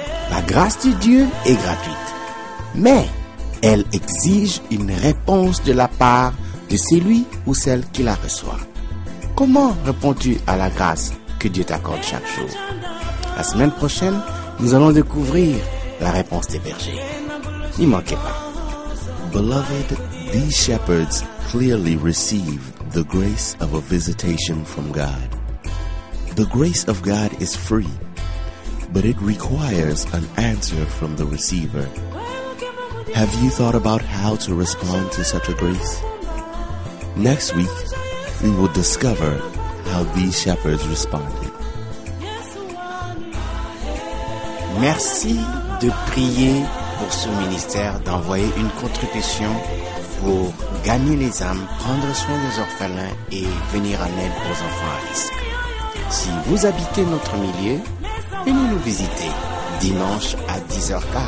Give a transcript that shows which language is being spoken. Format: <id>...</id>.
<fr>La grâce de Dieu est gratuite, mais elle exige une réponse de la part de celui ou celle qui la reçoit. Comment réponds-tu à la grâce que Dieu t'accorde chaque jour? La semaine prochaine, nous allons découvrir la réponse des bergers. N'y manquez pas.</fr> <en>Beloved, these shepherds clearly receive the grace of a visitation from God. The grace of God is free, but it requires an answer from the receiver. Have you thought about how to respond to such a grace? Next week, we will discover how these shepherds responded.</en> <fr>Merci de prier pour ce ministère, d'envoyer une contribution pour gagner les âmes, prendre soin des orphelins et venir en aide aux enfants à risque. Si vous habitez notre milieu, venez nous visiter dimanche à 10h15.</fr>